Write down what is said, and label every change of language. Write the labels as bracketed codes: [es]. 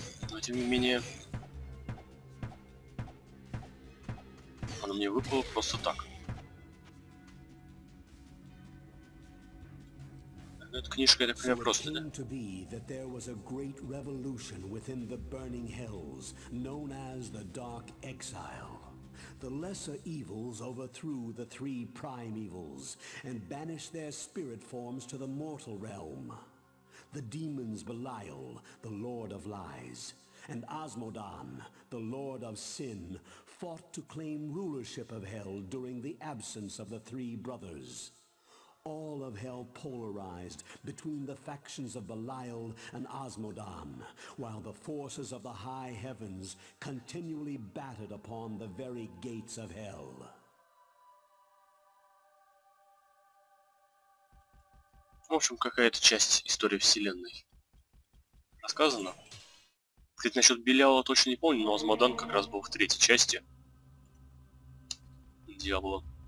[ru] Но тем не менее, оно мне выпало просто так. Эта книжка, это прям просто, да? [en] To be that there was a great revolution within the burning hills, known as the Dark Exile. The lesser evils overthrew the three prime evils and banished their spirit forms to the mortal realm. The demons Belial, the Lord of Lies, and Asmodan, the Lord of Sin, fought to claim rulership of hell during the absence of the three brothers. All of hell polarized between the factions of Belial and Asmodan, while the forces of the high heavens continually battered upon the very gates of hell. [ru] В общем, какая-то часть истории вселенной рассказана. Кстати, насчет Белиала точно не помню, но Асмодан как раз был в третьей части Диабло.